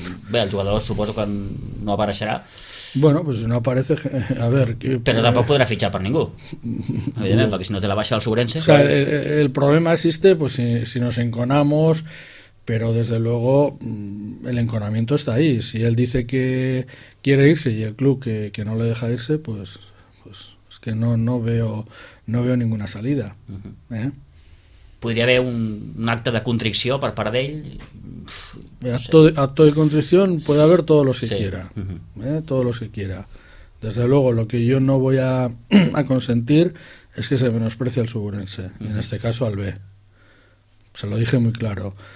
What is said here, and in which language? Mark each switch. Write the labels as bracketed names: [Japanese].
[Catalan] Bé, el jugador suposo que no apareixerà. [Spanish] Bueno, pues no aparece, a ver... [Catalan] Però tampoc podrà fitxar per ningú, evidentment, perquè si no té la baixa del Sobrense... [Spanish] O sea, el problema existe, pues, si nos enconamos, pero desde luego el enconamiento está ahí. Si él dice que quiere irse y el club que no le deja irse, pues es que no veo ninguna salida, uh-huh. [Catalan] Podria haver un acte de contrició per part d'ell? [Spanish] Acto de contrición puede haber todos los que quiera. Uh-huh. Todos los que quiera. Desde luego, lo que yo no voy a consentir es que se menosprecie al Sobrense. Uh-huh. Y en este caso al B. Se lo dije muy claro.